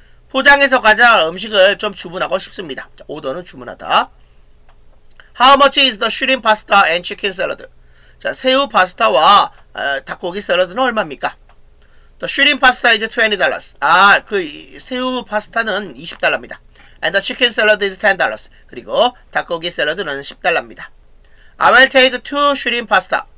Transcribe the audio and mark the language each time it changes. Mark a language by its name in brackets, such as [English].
[Korean] 포장해서 가져갈 음식을 좀 주문하고 싶습니다. 자, 오더는 주문하다. [English] How much is the shrimp pasta and chicken salad? [Korean] 자, 새우 파스타와 닭고기 샐러드는 얼마입니까? [English] The shrimp pasta is $20. [Korean] 아, 그 새우 파스타는 $20입니다. [English] And the chicken salad is $10. [Korean] 그리고 닭고기 샐러드는 $10입니다. [English] I will take two shrimp pasta.